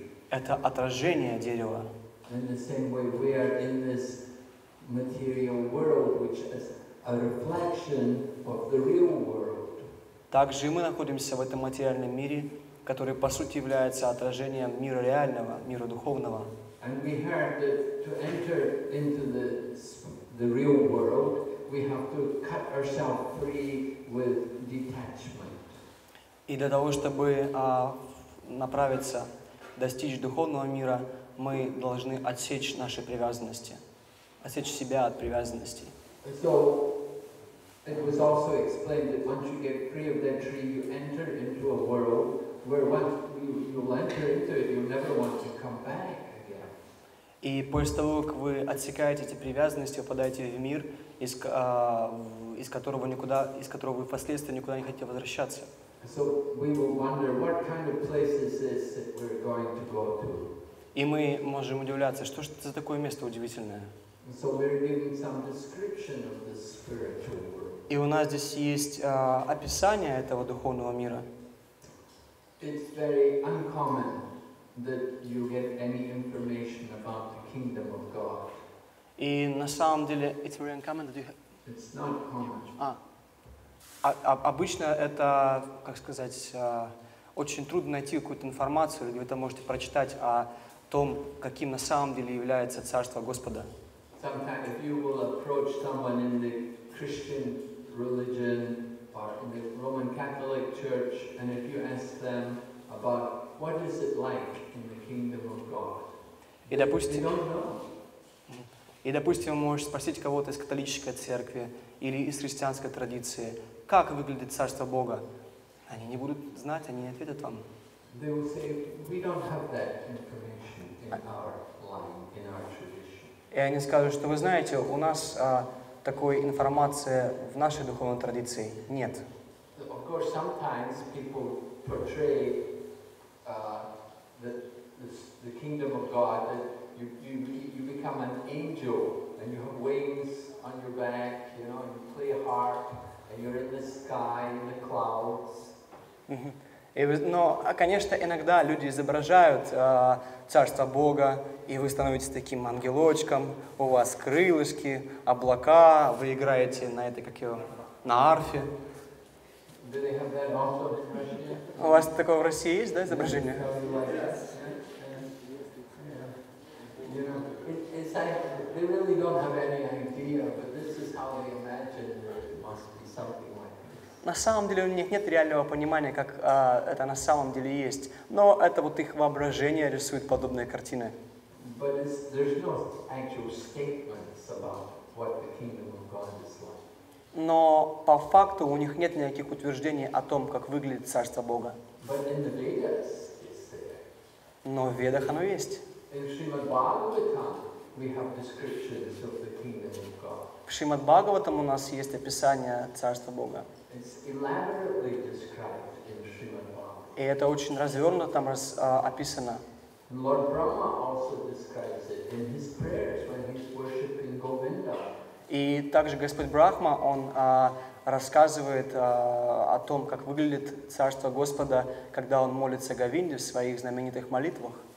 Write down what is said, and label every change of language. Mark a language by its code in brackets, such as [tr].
[ru] Это отражение дерева. Также и мы находимся в этом материальном мире, который по сути является отражением мира реального, мира духовного. [en] And we heard that to enter into the real world, we have to cut ourselves free with detachment. [ru] И для того, чтобы направиться, достичь духовного мира, мы должны отсечь наши привязанности, отсечь себя от привязанностей. [en] So, it was also explained that once you get free of that tree, you enter into a world where once you enter into it, you never want to come back. [ru] И после того, как вы отсекаете эти привязанности, попадаете в мир, из которого вы впоследствии никуда не хотите возвращаться. [en] So we will wonder, what kind of place is this that we're going to go to? [ru] И мы можем удивляться, что же это за такое место удивительное. [en] So we're giving some description of the spiritual world. [ru] И у нас здесь есть описание этого духовного мира. [en] It's very uncommon that you get any information about the kingdom of God. [ru] И на самом деле, [en] it's very uncommon that you It's not common. [ru] Обычно это, как сказать, очень трудно найти какую-то информацию, или вы это можете прочитать о том, каким на самом деле является Царство Господа. [en] Sometimes if you will approach someone in the Christian religion or in the Roman Catholic Church, and if you ask them about what is it like in the kingdom of God, they don't know. [ru] И, допустим, вы можете спросить кого-то из католической церкви или из христианской традиции, как выглядит Царство Бога. Они не будут знать, они не ответят вам. [en] They will say, we don't have that information in our line, in our tradition. [ru] И они скажут, что вы знаете, у нас такой информации в нашей духовной традиции нет. [en] Of course, sometimes people portray the kingdom of God that you become an angel and you have wings on your back, you know, and you play a harp and you're in the sky in the clouds. [ru] Но, конечно, иногда люди изображают Царство Бога, и вы становитесь таким ангелочком, у вас крылышки, облака, вы играете на этой, как его, на арфе. [en] Do they have that also in Russia? [ru] У вас такое в России есть, да, изображение? [en] They really don't have any idea, but this is how they imagine it must be something like this. [ru] На самом деле у них нет реального понимания, как это на самом деле есть. Но это вот их воображение рисует подобные картины. [en] But there's no actual statements about what the kingdom of God is like. [ru] Но по факту у них нет никаких утверждений о том, как выглядит Царство Бога. [en] But in the Vedas, it's there. [ru] Но в Ведах оно есть. [en] In Srimad Bhagavatam, we have descriptions of the kingdom of God. [ru] В Шримад Бхагаватам у нас есть описание Царства Бога. [en] It's elaborately described in Srimad Bhagavatam. [ru] И это очень развернуто там описано. [en] And Lord Brahma also describes it in his prayers when he's worshiping Govinda. [ru] И также Господь Брахма, он рассказывает о том, как выглядит Царство Господа, когда он молится Говинде в своих знаменитых молитвах.